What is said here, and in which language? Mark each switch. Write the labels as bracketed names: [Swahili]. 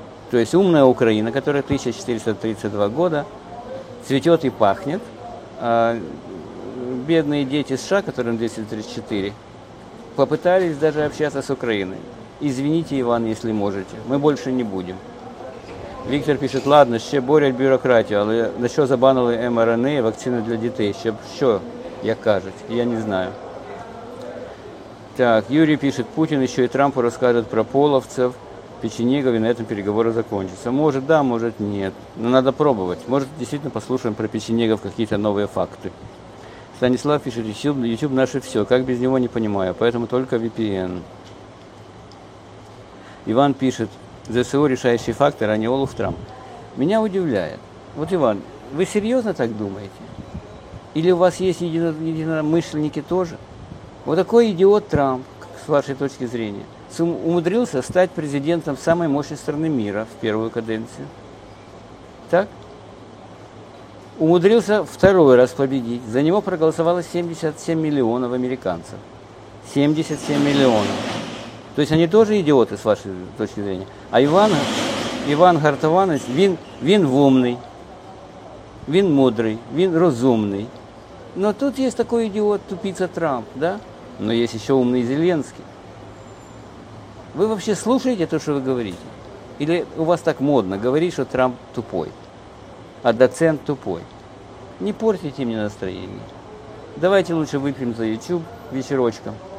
[Russian] То есть умная Украина, которая 1432 года, цветет и пахнет, а бедные дети США, которым 234, попытались даже общаться с Украиной. Извините, Иван, если можете, мы больше не будем. Виктор пишет, ладно, [Ukrainian] ще борять бюрократию, але на що забанили МРНА і вакцини для дітей? Ще що, як кажуть? Я не знаю. Так, Юрій пишет, Путін ще і Трампу розкажуть про половців, печенегів, і на цьому переговори закінчаться. Може, да, може, ні. Ну, треба пробувати. Може, дійсно послухаємо про печенегів якісь нові факти. Станіслав пише, YouTube наше все, як без нього не розумію, поэтому тільки VPN. Іван пише, [Russian] ЗСУ решающий фактор, а не Олаф Трамп. Меня удивляет. Вот, Иван, вы серьезно так думаете? Или у вас есть единомышленники тоже? Вот такой идиот Трамп, с вашей точки зрения. умудрился стать президентом самой мощной страны мира в первую каденцию. Так? Умудрился второй раз победить. За него проголосовало 77 миллионов американцев. 77 миллионов. То есть они тоже идиоты, с вашей точки зрения. [Ukrainian] А Іван Гартованець, він умный, він мудрый, він розумный. [Russian] Но тут есть такой идиот, тупица Трамп, да? Но есть еще умный Зеленский. Вы вообще слушаете то, что вы говорите? Или у вас так модно говорить, что Трамп тупой, а доцент тупой? Не портите мне настроение. Давайте лучше выпьем за YouTube вечерочком.